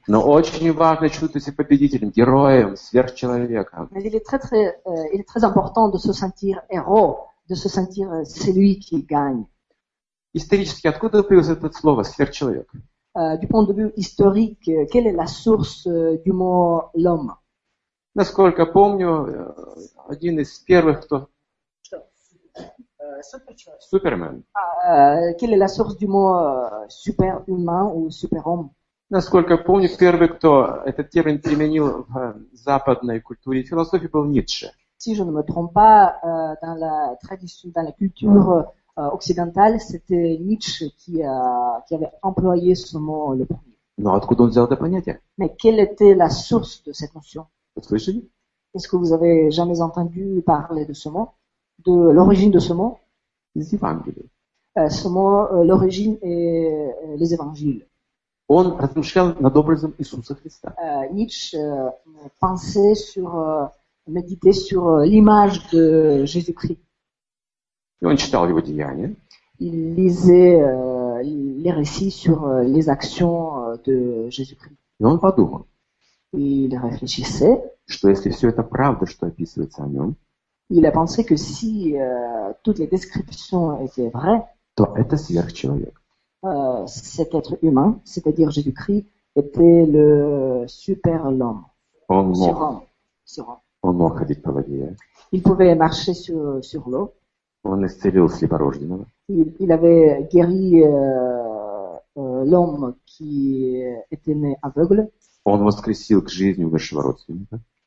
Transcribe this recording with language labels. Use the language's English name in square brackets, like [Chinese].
[Russian] Но очень важно чувствовать себя победителем, героем, сверхчеловеком. [French] Mais il est très important de se sentir héros. De se sentir celui qui gagne. [Russian] Исторически откуда появилось это слово сверхчеловек? [French] Du point de vue historique, quelle est la source du mot l'homme? [Russian] Насколько помню, один из первых, кто Супермен. [French] Quelle est la source du mot superhumain ou superhomme? [Russian] Насколько я помню, первый, кто этот термин применил в западной культуре и философии, был Ницше. [French] Si je ne me trompe pas, dans la tradition, dans la culture occidentale, c'était Nietzsche qui avait employé ce mot le premier. [Russian] Но откуда он взял это понятие? [French] Mais quelle était la source de cette notion? Vous avez entendu? Est-ce que vous avez jamais entendu parler de ce mot, de l'origine de ce mot? Les évangiles. Ce mot, l'origine est les évangiles. [Russian] Он размышлял над образом Иисуса Христа. [French] Ницше pensait sur, méditait sur l'image de Jésus-Christ. [Russian] И он читал его деяния. [French] Il lisait les récits sur les actions de Jésus-Christ. [Russian] И он подумал. [French] Il réfléchissait. [Russian] Что если все это правда, что описывается о нем? [French] Il a pensé que si toutes les descriptions étaient vraies. [Russian] То это сверхчеловек. [French] Cet être humain, c'est-à-dire Jésus-Christ, était le super-l'homme. [Russian] Он мог. [French] Sur-homme. [Russian] Он мог ходить по воде. [French] Il pouvait marcher sur l'eau. [Russian] Он исцелил слепорожденного. [French] Il avait guéri l'homme qui était né aveugle. [Russian] Он воскресил к жизни умершего родственника.